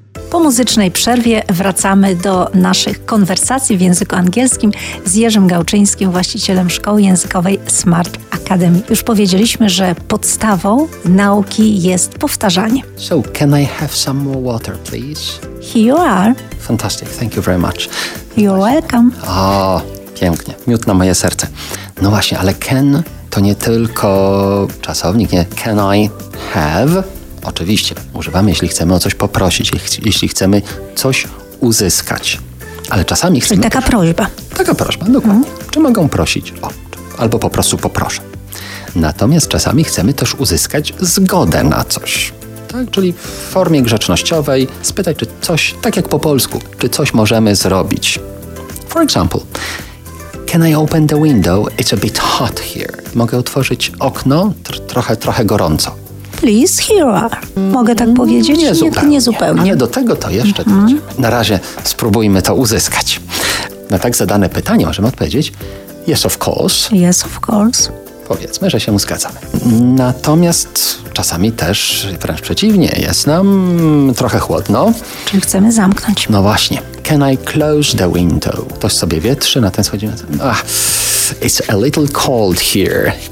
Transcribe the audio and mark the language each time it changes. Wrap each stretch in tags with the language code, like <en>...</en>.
<pl>Po muzycznej przerwie wracamy do naszych konwersacji w języku angielskim z Jerzym Gałczyńskim, właścicielem szkoły językowej Smart Academy. Już powiedzieliśmy, że podstawą nauki jest powtarzanie.</pl> <en>So, can I have some more water, please? Here you are. Fantastic, thank you very much. You're welcome.</en> <pl>O, pięknie, miód na moje serce. No właśnie, ale can to nie tylko czasownik, nie?</pl> <en>Can I have?</en> <pl>Oczywiście, używamy, jeśli chcemy o coś poprosić, jeśli chcemy coś uzyskać. Ale czasami chcemy... Czyli taka prośba. Taka prośba, dokładnie. Mm. Czy mogę prosić? O, albo po prostu poproszę. Natomiast czasami chcemy też uzyskać zgodę na coś. Tak? Czyli w formie grzecznościowej spytać, czy coś, tak jak po polsku, czy coś możemy zrobić.</pl> <en>For example, can I open the window? It's a bit hot here.</en> <pl>Mogę otworzyć okno? Trochę gorąco.</pl> <en>Please, here are.</en> <pl>Mogę tak powiedzieć? Nie zupełnie. Nie, do tego to jeszcze. Mm-hmm. Na razie spróbujmy to uzyskać. Na tak zadane pytanie możemy odpowiedzieć</pl> <en>yes, of course. Yes, of course.</en> <pl>Powiedzmy, że się zgadzamy. Natomiast czasami też wręcz przeciwnie, jest nam trochę chłodno. Czyli chcemy zamknąć. No właśnie.</pl> <en>Can I close the window?</en> <pl>Ktoś sobie wietrzy, na ten schodzimy.</pl> <en>Ah, it's a little cold here.</en>